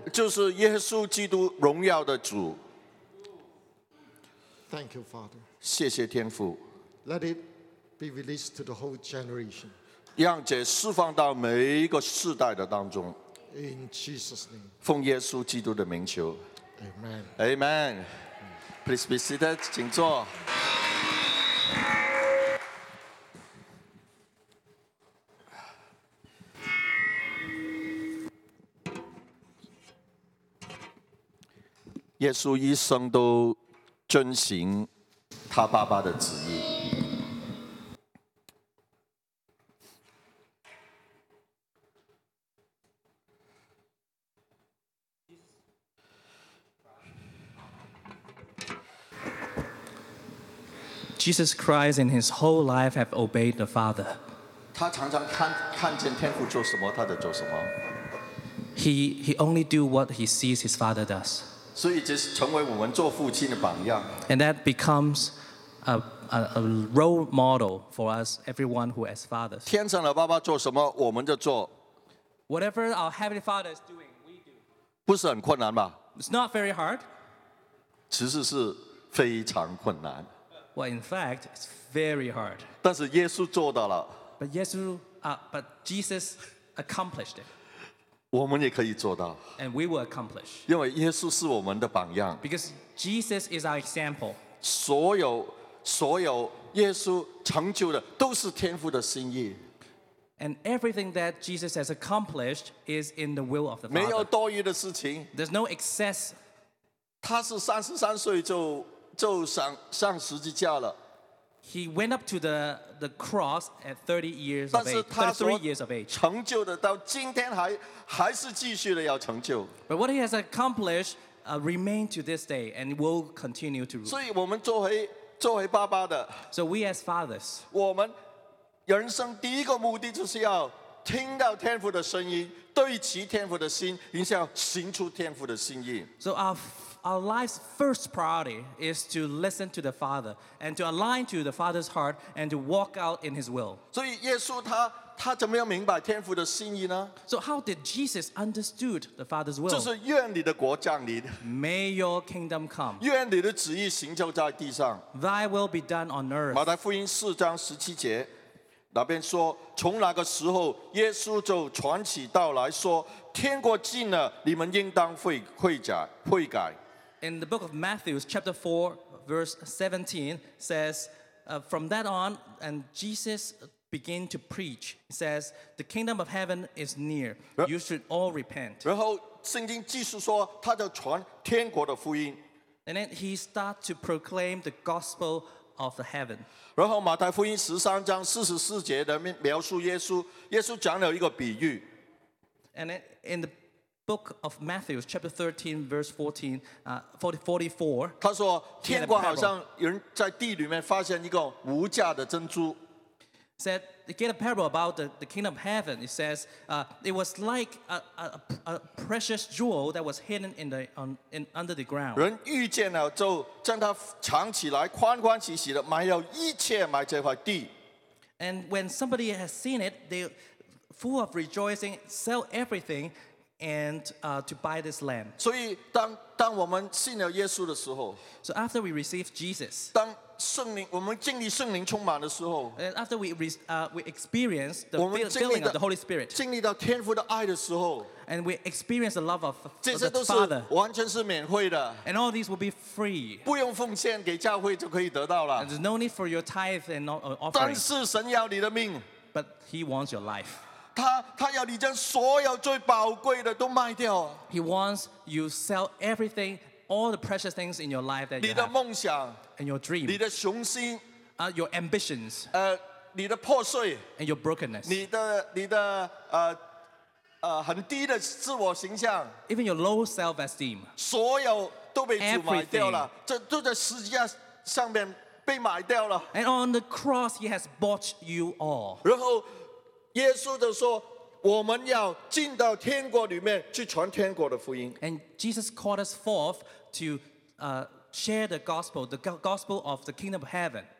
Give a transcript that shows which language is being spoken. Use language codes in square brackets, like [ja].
[zh] 就是耶稣基督荣耀的主。 [en] Thank you, Father. [zh] 谢谢天父。 [en] Let it be released to the whole generation. [zh] 让这释放到每一个世代的当中。 [en] In Jesus' name. [zh] 奉耶稣基督的名求。 [en] Amen. Amen. Please be seated. [zh] 请坐。耶稣一生都遵循他爸爸的旨意。 [en] Jesus Christ in his whole life have obeyed the Father. He only do what he sees his Father does. And that becomes a role model for us, everyone who has fathers. [zh] 天上的爸爸做什么，我们就做。 [en] Whatever our Heavenly Father is doing, we do. [zh] 不是很困难吧？ [en] It's not very hard. [zh] 其实是非常困难。 [en] Well, in fact, it's very hard. [zh] 但是耶稣做到了。 [en] But Jesus accomplished it. [zh] 我们也可以做到。 [en] And we will accomplish. [zh] 因为耶稣是我们的榜样。 [en] Because Jesus is our example. [zh] 所有耶稣成就的都是天父的心意。 [en] And everything that Jesus has accomplished is in the will of the Father. [zh] 没有多余的事情。 [en] There's no excess. [zh] 他是33岁就上十字架了。 [en] He went up to the cross at 30 years of age. [zh] 但是他说 [en] 33 years of age. [zh] 成就的到今天还是继续的要成就。 [en] But what he has accomplished remain to this day and will continue to rule. [zh] 所以我们作为爸爸的。 [en] So we as fathers. [zh] 我们人生第一个目的就是要听到天父的声音，对齐天父的心，也是要行出天父的心意。 [en] So our life's first priority is to listen to the Father and to align to the Father's heart and to walk out in His will. [zh] 所以耶稣他怎么样明白天父的心意呢？ [en] So how did Jesus understood the Father's will? [zh] 就是愿你的国降临。 [en] May your kingdom come. [zh] 愿你的旨意行就在地上。 [en] Thy will be done on earth. [zh] 马太福音四章十七节那边说，从那个时候，耶稣就传起道来说，天国近了，你们应当悔改。 [en] In the book of Matthew, chapter 4, verse 17, says, from that on, and Jesus began to preach, says, the kingdom of heaven is near. You should all repent. [zh] 然后圣经继续说，他就传天国的福音。 [en] And then he started to proclaim the gospel of the heaven. [zh] 然后马太福音13章44节的描述耶稣讲了一个比喻。 [en] And in the book of Matthew, chapter 13, verse 44, [zh] 他说天国好像人在地里面发现一个无价的珍珠。 [en] Said, they get a parable about the kingdom of heaven. It says, it was like a precious jewel that was hidden in under the ground. [zh] 人遇见了就将它藏起来，欢欢喜喜的买了一切买这块地。 [en] And when somebody has seen it, they full of rejoicing, sell everything, and to buy this land. [zh] 所以当我们信了耶稣的时候 [en] ，So after we receive Jesus. [zh] 当圣灵，我们经历圣灵充满的时候 [en] ，And after we experience the filling of the Holy Spirit， [zh] 经历到天父的爱的时候 [en] ，And we experience the love of the Father， [zh] 这些都是完全是免费的 [en] ，And all these will be free， [zh] 不用奉献给教会就可以得到了 [en] ，And there's no need for your tithe and offering。 [zh] 但是神要你的命 [en] ，But He wants your life。 [zh] 他要你将所有最宝贵的都卖掉。 [en] He wants you sell everything。 All the precious things in your life that you have. [zh] 你的梦想 [en] and your dream. [zh] 你的雄心 [en] your ambitions. [zh] 你的破碎 [en] and your brokenness. [zh] 你的很低的自我形象 [en] even your low self-esteem. [zh] 所有都被主买掉了，这都在十字架上面被买掉了 [en] and on the cross he has bought you all. [zh] 然后耶稣就说。我们要进到天国里面去传天国的福音。 [en] And Jesus called us forth to share the gospel, the gospel of the kingdom of heaven.